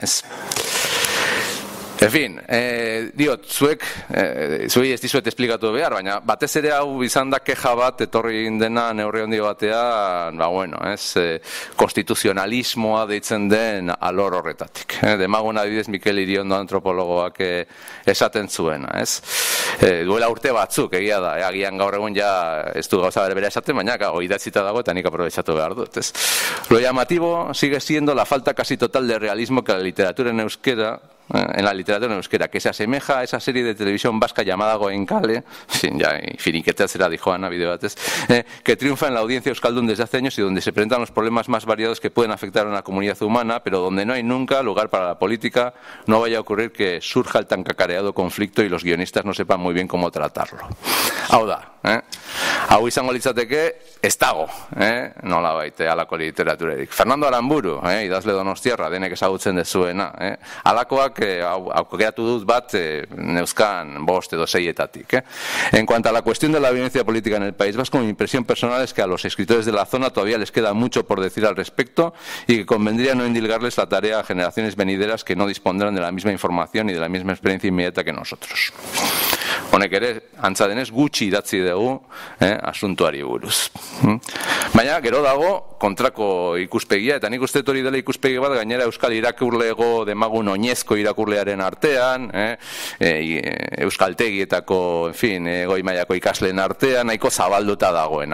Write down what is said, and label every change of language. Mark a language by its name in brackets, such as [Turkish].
[Basque] Ez. Diot, zuek, zuei ez dizuet esplikatu behar, baina batez ere hau izan da keja bat etorri dena neurri handi batean, konstituzionalismoa deitzen den alor horretatik. Demagun adibidez Mikel Iriondo antropologoak esaten zuena, ez? Duela urte batzuk, egia da, agian gaur egun ja ez du gauza bere esaten, baina idatzita dago eta nik aprobetxatu behar dut, ez? [Spanish] Lo llamativo sigue siendo la falta casi total de realismo que la literatura en euskera en la literatura euskera, que se asemeja a esa serie de televisión vasca llamada Goenkale, sin ya finiquetazera dijo Ana Bideobates, que triunfa en la audiencia euskaldun desde hace años y donde se presentan los problemas más variados que pueden afectar a una comunidad humana, pero donde no hay nunca lugar para la política, no vaya a ocurrir que surja el tan cacareado conflicto y los guionistas no sepan muy bien cómo tratarlo. [Basque] Hau da, hau izango litzateke, ez dago, nola baite alako literaturerik. Fernando Aramburu, idazle donostiarra, denek ezagutzen dezuena, alakoak aukeratu dut bat neuzkan bost edo seietatik. [Spanish] En cuanto a la cuestión de la violencia política en el País Vasco, mi impresión personal es que a los escritores de la zona todavía les queda mucho por decir al respecto y que convendría no indilgarles la tarea a generaciones venideras que no dispondrán de la misma información y de la misma experiencia inmediata que nosotros. [Basque] Honek ere, antza denez, gutxi idatzi dugu asuntuari buruz. Baina, gero dago, kontrako ikuspegia, eta nik uste hori dela ikuspegi bat, gainera euskal irakurlego demagun oinezko irakurlearen artean, euskaltegietako, goi mailako ikasleen artean, nahiko zabalduta dagoen.